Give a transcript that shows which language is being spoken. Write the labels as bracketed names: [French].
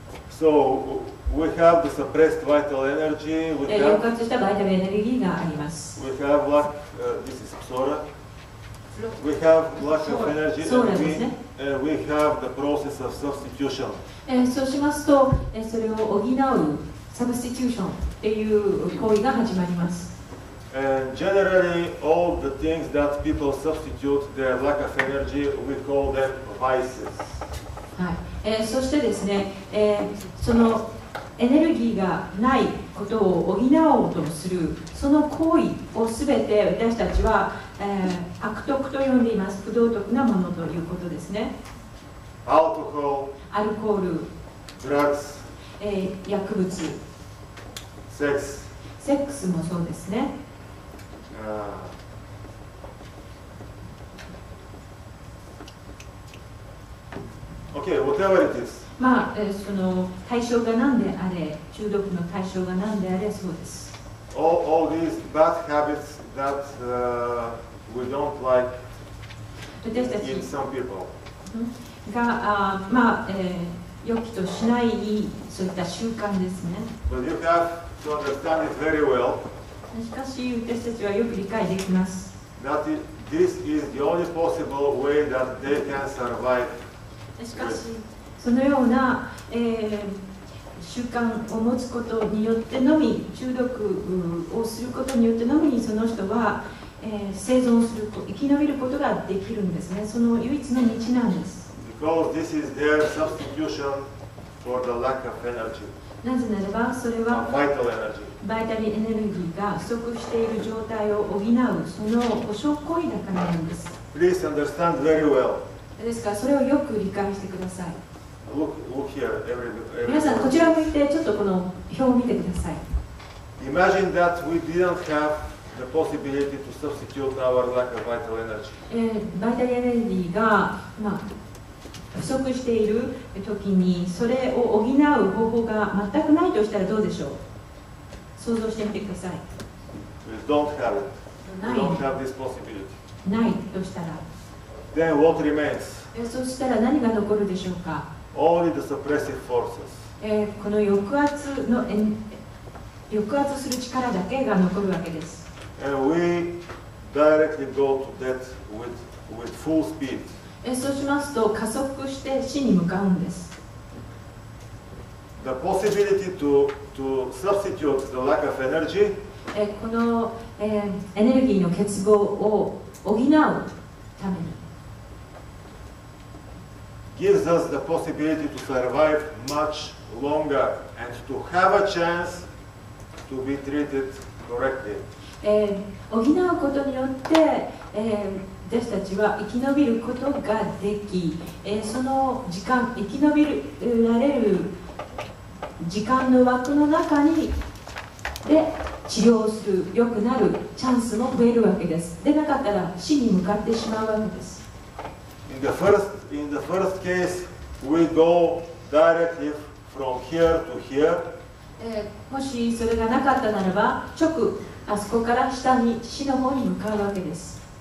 [English] So we have the suppressed vital energy. We have [Japanese] 抑圧したバイタルエネルギーがあります。 [English] We have what this is psora. We have lack of energy, and we have the process of substitution. [Japanese] そうしますと、それを補う substitution っていう行為が始まります。 [English] And generally, all the things that people substitute their lack of energy, we call them vices. [Japanese] はい。そしてですね、そのエネルギーがないことを補おうとする、その行為をすべて私たちは、悪徳と呼んでいます。不道徳なものということですね。 [English] Alcohol, [Japanese] アルコール、 [English] drugs, [Japanese] 薬物、 [English] sex, [Japanese] セックスもそうですね。 [English] Okay, whatever it is. [Japanese] まあ、その対象が何であれ、中毒の対象が何であれそうです。 [English] All these bad habits that we don't like in some people. [Japanese] が、まあ、良きとしないそういった習慣ですね。 [English] But you have to understand it very well. [Japanese] しかし、私たちはよく理解できます。 [English] That this is the only possible way that they can survive. [Japanese] しかし、そのような、習慣を持つことによってのみ、中毒をすることによってのみ、その人は、生存すること、生き延びることができるんですね。その唯一の道なんです。 [English] Because this is their substitution for the lack of energy. [Japanese] なぜならば、それは、 [English] vital energy. [Japanese] バイタルエネルギーが不足している状態を補う、その補償行為だからなんです。 [English] Please understand very well. [Japanese] ですから、それをよく理解してください。 [English] Look here, everybody. [Japanese] 皆さんこちらを見てちょっとこの表を見てください。 [English] Imagine that we didn't have the possibility to substitute our lack of vital energy. [Japanese] バイタルエネルギーが、まあ、不足している時にそれを補う方法が全くないとしたらどうでしょう。想像してみてください。 [English] We don't have it. We don't have this possibility. [Japanese] ないとしたら。 [English] Then what remains? [Japanese] そしたら何が残るでしょうか。 [English] Only the suppressive forces. [Japanese] この抑圧の抑圧する力だけが残るわけです。 [English] And we directly go to death with full speed. [Japanese] そうしますと加速して死に向かうんです。 [English] The possibility to substitute the lack of energy. [Japanese] このエネルギーの欠乏を補うために。 [English] Gives us the possibility to survive much longer and to have a chance to be treated correctly. [Japanese] 補うことによって、私たちは生き延びることができ、その時間、生き延びられる時間の枠の中にで治療する、良くなるチャンスも増えるわけです。でなかったら死に向かってしまうわけです。 [English] In the first case, we go directly from here to here. [Japanese] もしそれがなかったならば、直あそこから下に死の方に向かうわけです。